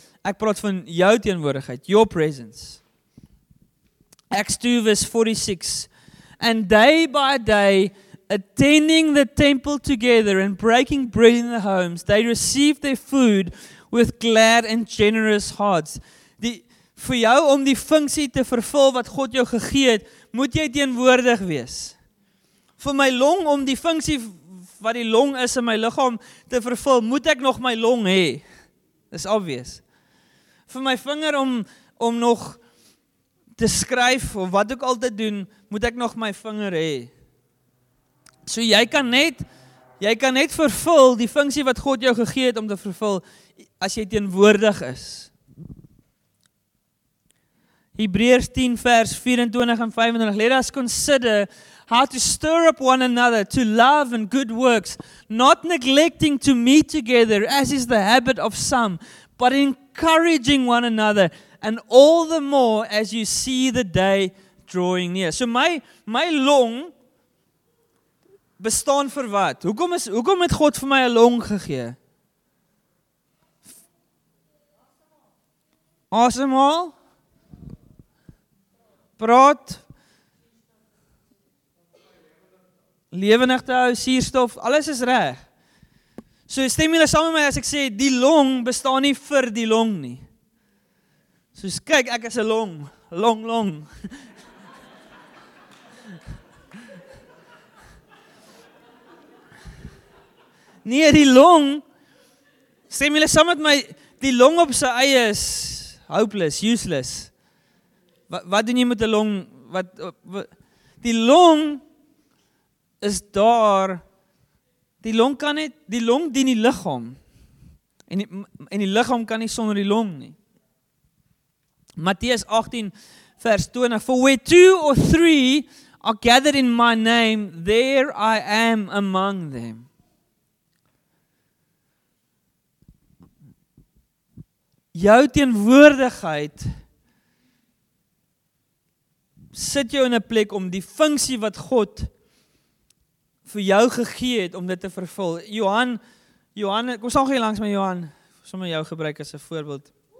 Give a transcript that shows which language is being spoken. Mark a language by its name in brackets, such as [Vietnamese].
[Afrikaans] Ek praat van jou teenwoordigheid, [English] your presence. [Afrikaans] Acts 2 verse 46. [English] And day by day, attending the temple together and breaking bread in the homes, they received their food with glad and generous hearts. [Afrikaans] Vir jou om die funksie te vervul wat God jou gegee het, moet jy teenwoordig wees. Vir my long, om die funksie wat die long is in my liggaam te vervul, moet ek nog my long hê. Dis obvious. Vir my vinger om nog te skryf of wat ook al te doen, moet ek nog my vinger hê. So jy kan net vervul die funksie wat God jou gegee het om te vervul as jy teenwoordig is. Hebreërs 10 vers 24 en 25, [English] let us consider how to stir up one another to love and good works, not neglecting to meet together as is the habit of some, but encouraging one another, and all the more as you see the day drawing near. [Afrikaans] So my long bestaan vir wat? Hoekom het God vir my 'n long gegee? Asemhaal? Praat? Lewendig te hou, suurstof, alles is reg. So stem julle saam met my as ek sê die long bestaan nie vir die long nie. Soos kyk, ek is 'n long, long long. Nee, die long stem julle saam met my, die long op sy eie is [English] hopeless, useless. [Afrikaans] Wat doen jy met 'n long? Wat die long is daar. Die long kan net, die long dien die liggaam. En die liggaam kan nie sonder die long nie. Matteus 18 vers 20: [English] For where two or three are gathered in my name, there I am among them. [Afrikaans] Jou teenwoordigheid sit jou in 'n plek om die funksie wat God vir jou gegee het om dit te vervul. Johan, kom saam gee langs my Johan, sommer jou gebruik as 'n voorbeeld.